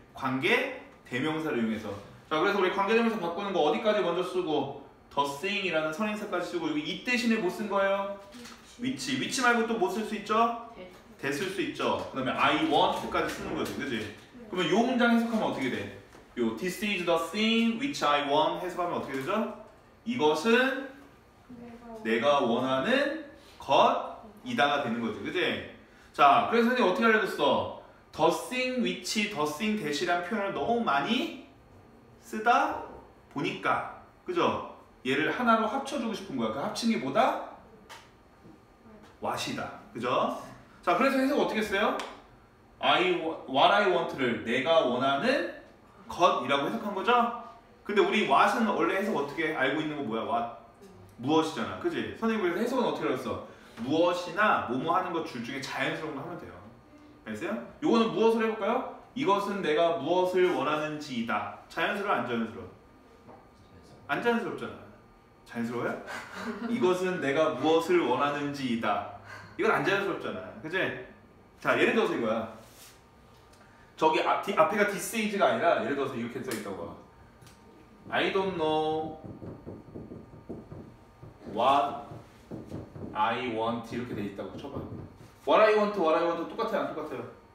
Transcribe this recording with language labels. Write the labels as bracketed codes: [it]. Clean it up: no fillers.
[ko] 관계대명사를 이용해서. 자, 그래서 우리 관계대명사 바꾸는 거 어디까지 먼저 쓰고, the thing이라는 선행사까지 쓰고, 여기 it 대신에 뭐쓴 거예요? 위치. 위치 말고 또뭐쓸수 있죠? 대쓸수 있죠. 그 다음에 I want까지 쓰는 거지, 그지? 그러면 요 문장 해석하면 어떻게 돼? 요 [en] this is the thing which I want [ko] 해석하면 어떻게 되죠? 이것은 내가 원하는 것이다가 되는 거지, 그지? 자, 그래서 선생님 어떻게 알려줬어? the thing which, the thing that이란 표현을 너무 많이 쓰다 보니까, 그죠? 얘를 하나로 합쳐주고 싶은 거야. 그 합친 게 뭐다? what이다. 그죠? 자, 그래서 해석 어떻게 했어요? what I want를 내가 원하는 것이라고 해석한 거죠? 근데 우리 what은 원래 해석 어떻게 알고 있는 거 뭐야? what? 무엇이잖아. 그지? 선생님, 그래서 해석은 어떻게 알았어? 무엇이나 뭐뭐 하는 것둘 중에 자연스러운 거 하면 돼요. 알겠어요? 요거는 무엇을 해볼까요? 이것은 내가 무엇을 원하는지이다. 자연스러워, 안 자연스러워? 안 자연스럽잖아. 자연스러워요? 이것은 내가 무엇을 원하는지이다. 이건 안 자연스럽잖아. 그치? 자, 예를 들어서 이거야. 저기 앞에가 this is가 아니라 예를 들어서 이렇게 써 있다고 봐. [en] I don't know what I want [ko] 이렇게 돼 있다고 쳐봐. what I want 똑같아요, 안 똑같아요?